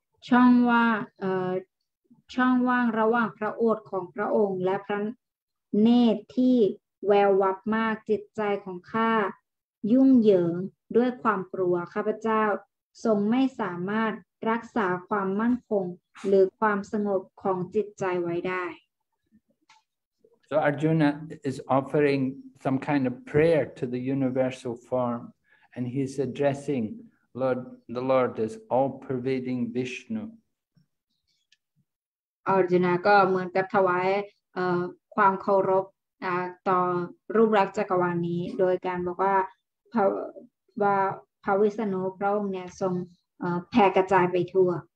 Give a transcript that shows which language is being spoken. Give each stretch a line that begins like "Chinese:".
Thai: ช่องว่าช่องว่างระหว่างพระโอษฐ์ของพระองค์และพระเนตรที่แวววับมากจิตใจของข้ายุ่งเหยิงด้วยความกลัวข้าพเจ้าทรงไม่สามารถรักษาความมั่นคงหรือความสงบของจิตใจไว้ได้
English: So Arjuna is offering some kind of prayer to the universal form and he's addressing Lord the Lord as all pervading Vishnu
Thai: Arjuna ก็เหมือนกับถวายความเคารพต่อรูปลักษณ์จักรวาลนี้โดยการบอกว่าพระวิษณุพระองค์เนี่ยทรงแผ่กระจายไปทั่ว